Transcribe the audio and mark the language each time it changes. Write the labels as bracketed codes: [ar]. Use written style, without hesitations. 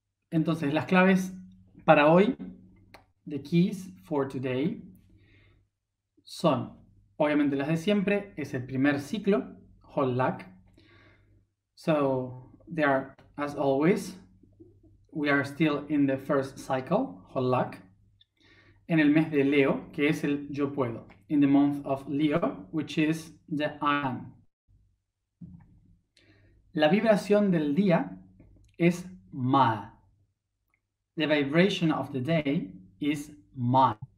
[es] Entonces, las claves para hoy, [en] the keys for today, [es] son obviamente las de siempre, es el primer ciclo, whole lac. [en] So, they are, as always, we are still in the first cycle, whole lac. [es] En el mes de Leo, que es el yo puedo. [en] In the month of Leo, which is the I am. [es] La vibración del día es ma. [en] The vibration of the day is ma.